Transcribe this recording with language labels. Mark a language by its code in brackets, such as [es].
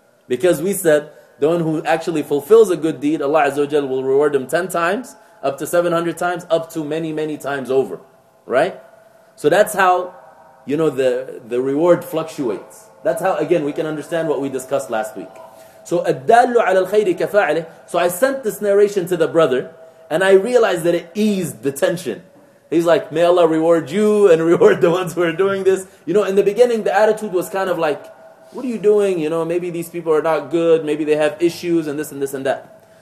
[en] Because we said, the one who actually fulfills a good deed, Allah Azza wa Jal will reward him 10 times, up to 700 times, up to many, many times over. Right? So that's how, you know, the reward fluctuates. That's how, again, we can understand what we discussed last week. So, [ar] أَدَّلُّ عَلَى الْخَيْرِ كَفَاعِلِ. [en] So I sent this narration to the brother, and I realized that it eased the tension. He's like, may Allah reward you and reward the ones who are doing this. You know, in the beginning, the attitude was kind of like, what are you doing? You know, maybe these people are not good. Maybe they have issues and this and this and that.